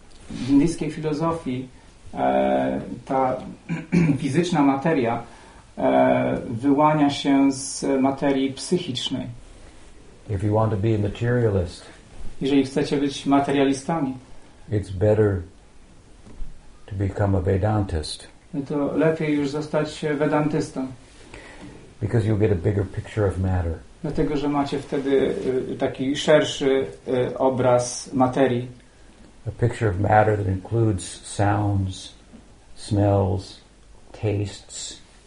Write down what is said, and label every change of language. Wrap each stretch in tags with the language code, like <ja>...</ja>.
<pl>W indyjskiej filozofii ta fizyczna materia wyłania się z materii psychicznej.</pl> <en>If you want to be a materialist,</en> <pl>jeżeli chcecie być materialistami,</pl> <en>it's better to become a Vedantist.</en> <pl>To lepiej już zostać Vedantystą.</pl> <en>Because you'll get a bigger picture of matter.</en> <pl>Dlatego, że macie wtedy taki szerszy obraz materii.</pl> <en>A picture of matter that includes sounds, smells, tastes.</en>